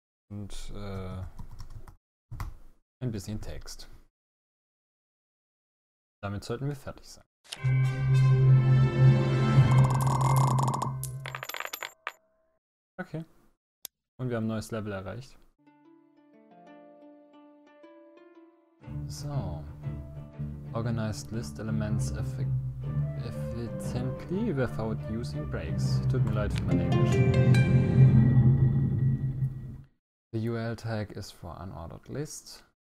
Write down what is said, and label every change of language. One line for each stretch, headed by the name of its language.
German: Und ein bisschen Text. Damit sollten wir fertig sein. Okay. Und wir haben ein neues Level erreicht. So.
English: Organized list elements efficiently without using breaks.
German: Tut mir leid für mein Englisch.
English: The UL tag is for unordered list.